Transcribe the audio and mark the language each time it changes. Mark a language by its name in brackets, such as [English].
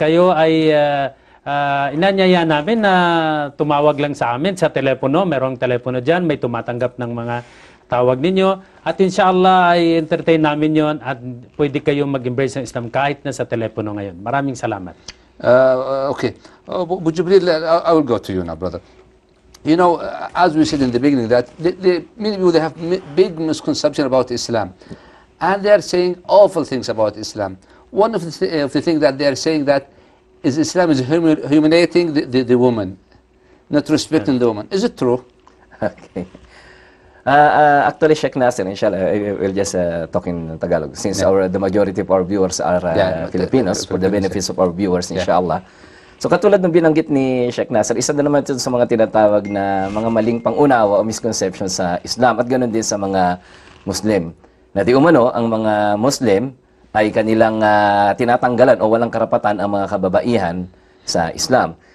[Filipino] Kayo ay inanyaya namin na tumawag lang sa amin sa telepono. Merong telepono dyan, may tumatanggap ng mga tawag ninyo. At inshallah, ay entertain namin yon at pwede kayong mag-embrace ng Islam kahit na sa telepono ngayon. Maraming salamat. [English] Okay. Abu Jibril, I will go to you now, brother. You know, as we said in the beginning, that many people have big misconception about Islam, and they are saying awful things about Islam. One of the things that they are saying that is Islam is humiliating the woman, not respecting the woman. Is it true? Okay. Actually, Sheikh Nasser, inshallah, we'll just talk in Tagalog, since the majority of our viewers are Filipinos, for the benefits of our viewers, inshallah. Yeah. [Filipino] So katulad ng binanggit ni Sheikh Nasser, isa na naman ito sa mga tinatawag na mga maling pangunawa o misconception sa Islam at ganoon din sa mga Muslim. Na di umano, ang mga Muslim ay kanilang tinatanggalan o walang karapatan ang mga kababaihan sa Islam.